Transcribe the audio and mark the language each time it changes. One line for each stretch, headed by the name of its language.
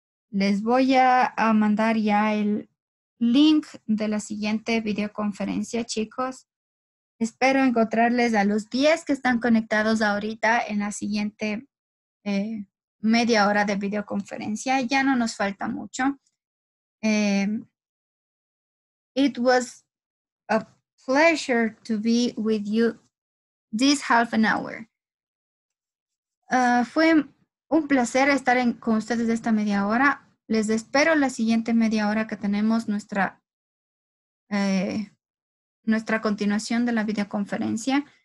Spanish: Les voy a mandar ya el link de la siguiente videoconferencia, chicos. Espero encontrarles a los 10 que están conectados ahorita en la siguiente media hora de videoconferencia. Ya no nos falta mucho.
English: It was a pleasure to be with you this half an hour.
Spanish: Fue un placer estar con ustedes esta media hora. Les espero la siguiente media hora que tenemos nuestra continuación de la videoconferencia.